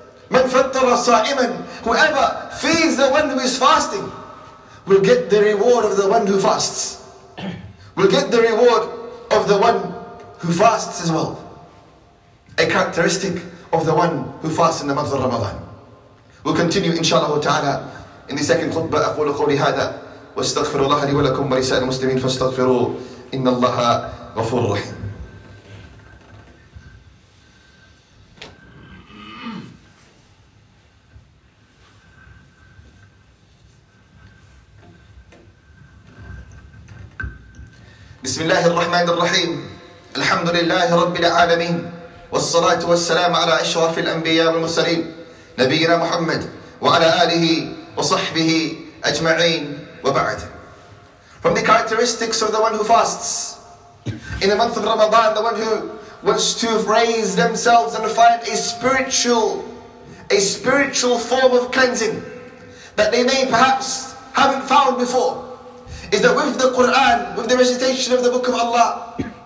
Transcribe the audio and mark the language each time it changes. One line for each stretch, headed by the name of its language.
Arabic: من فطر صائما,
English: whoever feeds the one who is fasting will get the reward of the one who fasts. Will get the reward of the one who fasts as well. A characteristic of the one who fasts in the month of Ramadan. We'll continue inshallah ta'ala in the second khutbah.
Arabic: أقول قولي هذا واستغفر الله لي ولكم ولسائر المسلمين فاستغفروا إن الله غفور رحيم. بسم الله الرحمن الرحيم الحمد لله رب العالمين والصلاة والسلام على أشرف الأنبياء والمرسلين نبينا محمد وعلى آله وصحبه أجمعين وبعد.
English: From the characteristics of the one who fasts in the month of Ramadan, the one who wants to raise themselves and find a spiritual form of cleansing that they may perhaps haven't found before, is that with the Qur'an, with the recitation of the book of Allah,